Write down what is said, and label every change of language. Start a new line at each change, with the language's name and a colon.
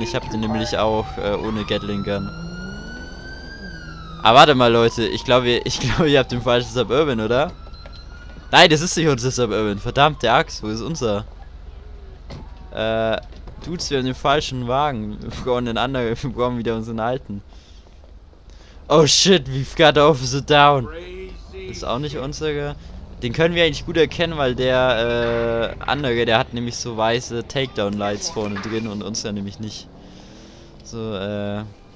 German: Ich hab den nämlich auch ohne Gatling Gun. Aber warte mal, Leute. Ich glaube, ihr habt den falschen Suburban, oder? Nein, das ist nicht unser Suburban. Verdammt, der Axt. Wo ist unser? Dudes, wir haben den falschen Wagen. Wir brauchen den anderen, wir brauchen wieder unseren alten.
English: Oh shit, we've got the officer down.
German: Das ist auch nicht unsere. Den können wir eigentlich gut erkennen, weil der andere, der hat nämlich so weiße Takedown-Lights vorne drin und uns ja nämlich nicht. So, Da.